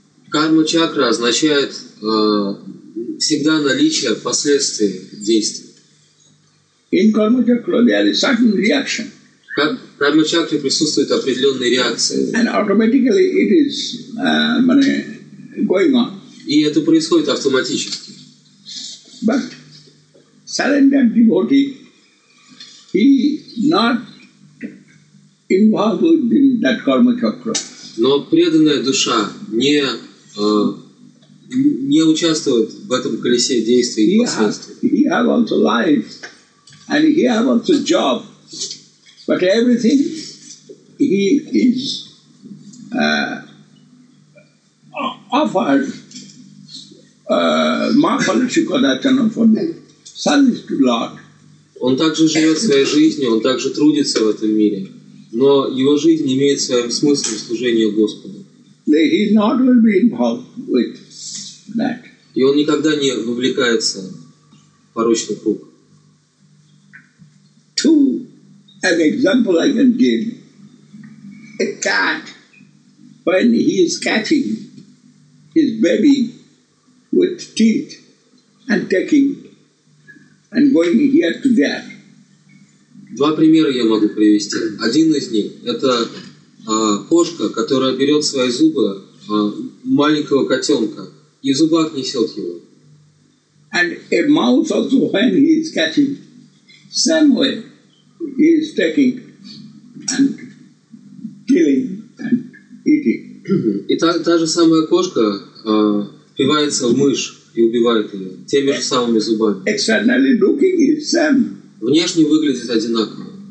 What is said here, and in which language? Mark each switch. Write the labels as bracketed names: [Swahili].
[Russian] Карма чакра означает всегда наличие последствий действий. [English] In karma chakra there is certain reaction. [Russian] Как в карма чакре присутствует определенная реакция. [English] And automatically it is going on. [Russian] И это происходит автоматически. [English] But surrendered devotee, he not involved in that karma chakra. [Russian] Но преданная душа не участвует в этом колесе действий и последствий. [English] He have also life, and he have also job, but everything he is offered mahalakshmikodachana for the service to Lord. [Russian] Он также живет своей жизнью, он также трудится в этом мире. Но его жизнь имеет своим смыслом служение Господу. [English] He not will be involved with that. [Russian] И он никогда не вовлекается в порочный круг. [English] An example I can give. A cat, when he is catching his baby with teeth and taking and going here to there. [Russian] Два примера я могу привести. Один из них – это кошка, которая берет свои зубы маленького котенка и в зубах несет его. [English] And a mouse also, when he is catching, same way he is taking and killing and eating. [Russian] И та же самая кошка впивается в мышь и убивает ее теми же самыми зубами. [English] Externally looking is same. [Russian] внешне выглядят одинаково.